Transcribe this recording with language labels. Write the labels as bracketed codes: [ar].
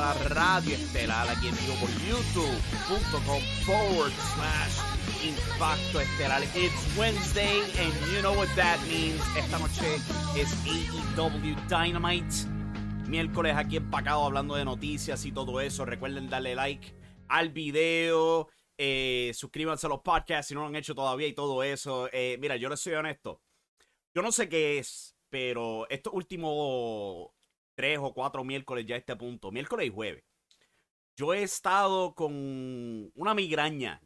[es] Radio Estelar, aquí en vivo por youtube.com/Impacto Estelar. [en] It's Wednesday, and you know what that means. [es] Esta noche es AEW Dynamite. Miércoles aquí empacado hablando de noticias y todo eso. Recuerden darle like al video, suscríbanse a los podcasts si no lo han hecho todavía y todo eso. Mira, yo les soy honesto. Yo no sé qué es, pero estos últimos 3 o 4 miércoles ya a este punto, miércoles y jueves, yo he estado con una migraña.